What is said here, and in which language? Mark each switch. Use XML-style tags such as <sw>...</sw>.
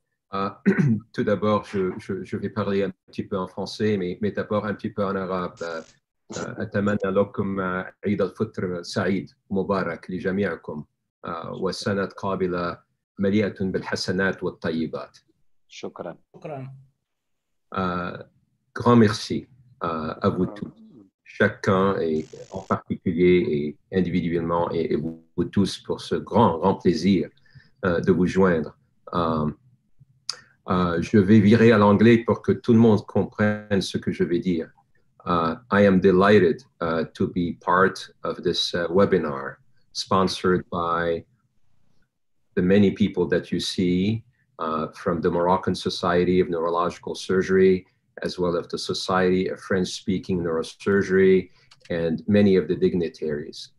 <fr>Tout d'abord, je vais parler un petit peu en français, mais d'abord un petit peu en arabe.</fr> <ar>أتمنى لكم عيد الفطر سعيد مبارك لجميعكم وسنة قابلة مليئة بالحسنات والطيبات. شكرا.</ar> <fr>Grand merci à vous tous, chacun et en particulier et individuellement et vous tous pour ce grand plaisir de vous joindre. Je vais virer à l'anglais pour que tout le monde comprenne ce que je vais dire.</fr> <en>I am delighted to be part of this webinar sponsored by the many people that you see from the Moroccan Society of Neurological Surgery, as well as the Society of French-Speaking Neurosurgery, and many of the dignitaries.</en>